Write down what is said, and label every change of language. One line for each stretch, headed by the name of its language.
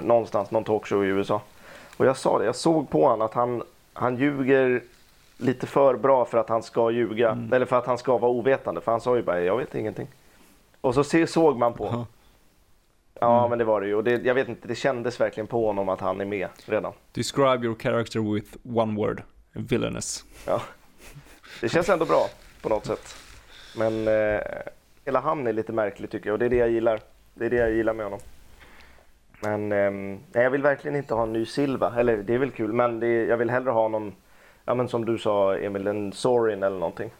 Swedish: Någonstans, någon talkshow i USA. Och jag sa det. Jag såg på honom att han ljuger lite för bra för att han ska ljuga. Mm. Eller för att han ska vara ovetande. För han sa ju bara, jag vet ingenting. Och så såg man på. Ja, men det var det ju. Och jag vet inte, det kändes verkligen på honom att han är med redan.
English: Describe your character with one word. Villainous.
Swedish: Ja. Det känns ändå bra på något sätt. Men hela han är lite märklig tycker jag. Och det är det jag gillar. Det är det jag gillar med honom. Men jag vill verkligen inte ha en ny Silva. Eller det är väl kul. Men jag vill hellre ha någon... Ja, men som du sa, Emil, en Sorin eller någonting.